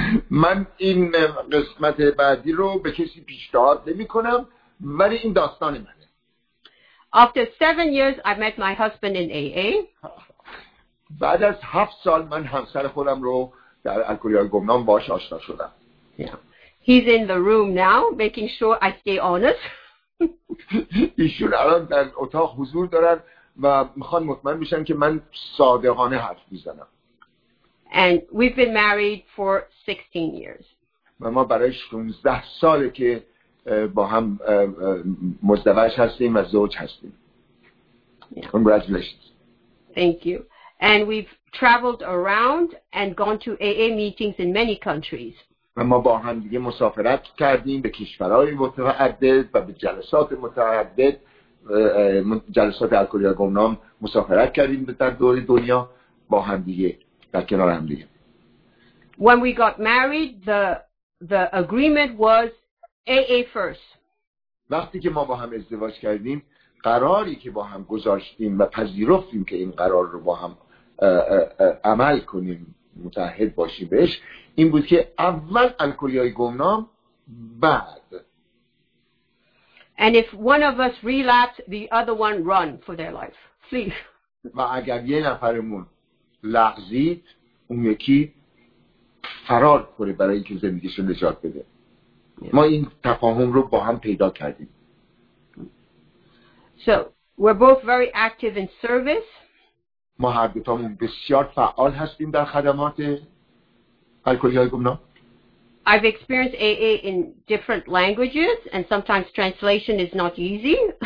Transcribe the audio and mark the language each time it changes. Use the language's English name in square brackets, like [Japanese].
[Persian] من این قسمت بعدی رو به کسی پیشنهاد نمی کنم، ولی این داستان منه. [English] After 7 years, I met my husband in AA. [Persian] بعد از 7 سال من همسر خودم رو در الکلیان گمنام باش آشنا شدم. [English] He's in the room now, making sure I stay honest. [Persian] ایشون الان در اتاق حضور دارن و میخوان مطمئن بشن که من صادقانه حرف میزنم. [English] And we've been married for 16 years. [Persian] و ما برای 16 ساله که با هم مزدوج هستیم و زوج هستیم. [English] Yeah. Congratulations. Thank you. And we've traveled around and gone to AA meetings in many countries. [Persian] و ما با هم دیگه مسافرت کردیم به کشورهای متعدد و به جلسات متعدد، جلسات الکلیان گمنام مسافرت کردیم به در دور دنیا با هم دیگه در کنار هم دیگه. [English] When we got married, the agreement was AA first. [Persian] وقتی که ما با هم ازدواج کردیم، قراری که با هم گذاشتیم و پذیرفتیم که این قرار رو با هم عمل کنیم، متعهد باشی بهش، این بود که اول الکلیای گمنام بعد. [English] And if one of us relapsed, the other one run for their life, flee. [Persian] و اگر یه نفرمون لغزید، اون یکی فرار کنه برای اینکه زندگیشو نجات بده. ما این تفاهم رو با هم پیدا کردیم. [English] So we're both very active in service. [Persian] ما هر دوتامون بسیار فعال هستیم در خدمات الکلیان گمنام. [English] I've experienced AA in different languages and sometimes translation is not easy.